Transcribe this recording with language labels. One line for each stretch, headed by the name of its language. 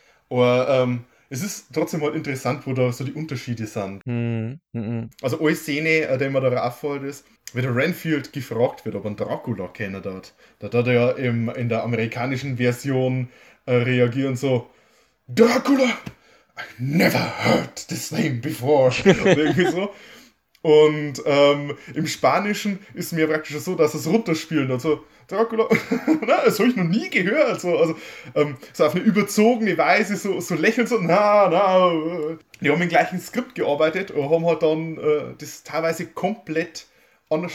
German: Aber es ist trotzdem halt interessant, wo da so die Unterschiede sind. Also eine Szene, die mir da auffällt, ist, wenn der Renfield gefragt wird, ob er einen Dracula kennen hat, da hat er ja in der amerikanischen Version reagieren so: Dracula!
English: I never heard this name before!
German: Und irgendwie so. Und im Spanischen ist mir praktisch so, dass es runterspielen. Also, Dracula, na, das habe ich noch nie gehört. So auf eine überzogene Weise, so lächeln, so, na, na. Die haben im gleichen Skript gearbeitet und haben halt dann das teilweise komplett anders